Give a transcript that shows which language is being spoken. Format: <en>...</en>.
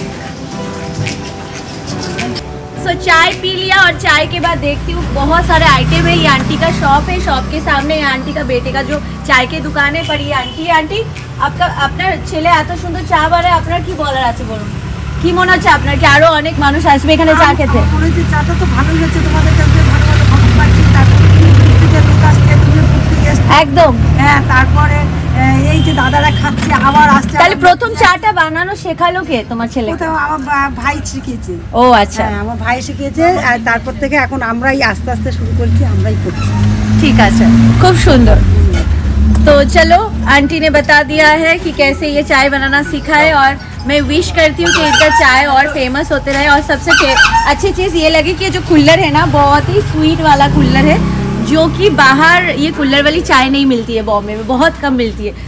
<hi>सो चाय पी लिया और चाय के बाद देखती हूँ बहुत सारे आइटम है। ये आंटी का शॉप है, शॉप के सामने ये आंटी का बेटे का जो चाय की दुकान है।</hi> <bn>पर ये आंटी, आंटी आपका अपना ছেলে এত সুন্দর চা বানায়, আপনার কি বলার আছে বলুন? কি মনে হচ্ছে আপনার কি আরো অনেক মানুষ আসবে এখানে চা খেতে? মনে হচ্ছে চাটা তো ভালো হচ্ছে তোমাদের কাছে, ভালো ভালো ভালো পাচ্ছি তারপরে যেটা কাছে তুমি ফুটি গেছে একদম। হ্যাঁ তারপরে এই যে দাদারা খাচ্ছে আবার আসছে। তাহলে প্রথম চাটা বানানো শেখালো কে তোমার ছেলে? ওটা আমার ভাই শিখিয়েছে। ও আচ্ছা। হ্যাঁ আমার ভাই শিখিয়েছে, আর তারপর থেকে এখন আমরাই আস্তে আস্তে শুরু করছি, আমরাই করছি। ঠিক আছে, খুব সুন্দর।</bn> <hi>तो चलो आंटी ने बता दिया है कि कैसे ये चाय बनाना सीखा है, और मैं विश करती हूँ कि इनका चाय और फेमस होते रहे। और सबसे अच्छी चीज़ ये लगी कि ये जो कूलर है ना, बहुत ही स्वीट वाला कूलर है, जो कि बाहर ये कूलर वाली चाय नहीं मिलती है, बॉम्बे में बहुत कम मिलती है।</hi>